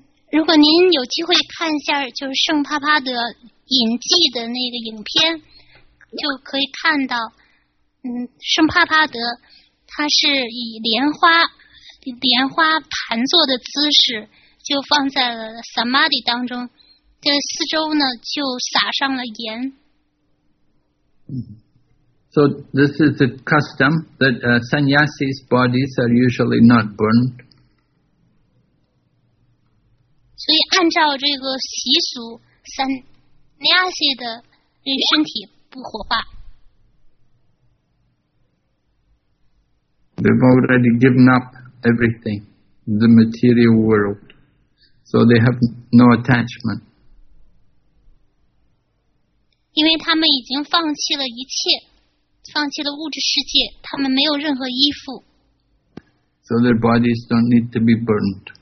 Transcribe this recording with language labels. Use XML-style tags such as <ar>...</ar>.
<zh>如果您有机会看一下，就是圣帕帕德影记的那个影片，就可以看到，圣帕帕德他是以莲花盘坐的姿势，就放在了萨玛迪当中，这四周呢就撒上了盐。</zh> <en>So this is the custom that sannyasis bodies are usually not burned.</en> <zh>所以按照这个习俗，sannyasi的身体不火化。</zh> <en>They've already given up everything, the material world, so they have no attachment.</en> <zh>因为他们已经放弃了一切，放弃了物质世界，他们没有任何依附。</zh> <en>So their bodies don't need to be burned.</en>